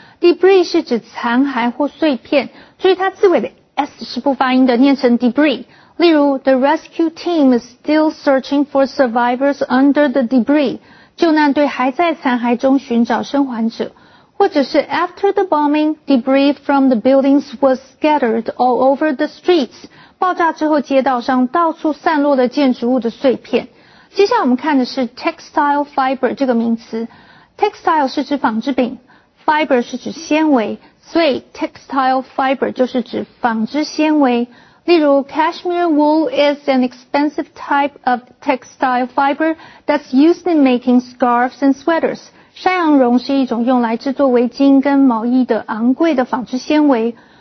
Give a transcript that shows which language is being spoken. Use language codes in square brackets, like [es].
[zh] debris 是指残骸或碎片，所以它字尾的 s 是不发音的，念成 debris。例如 [en] ，The rescue team is still searching for survivors under the debris。 [zh] 救难队还在残骸中寻找生还者。或者是 [en] ，After the bombing, debris from the buildings was scattered all over the streets。 [zh] 爆炸之后，街道上到处散落了建筑物的碎片。接下来我们看的是 textile fiber 这个名词。textile 是指纺织品 ,fiber 是指纤维。所以 textile fiber 就是指纺织纤维。例如 [en] ,cashmere wool is an expensive type of textile fiber that's used in making scarves and sweaters. [zh] 山羊绒是一种用来制作围巾跟毛衣的昂贵的纺织纤维。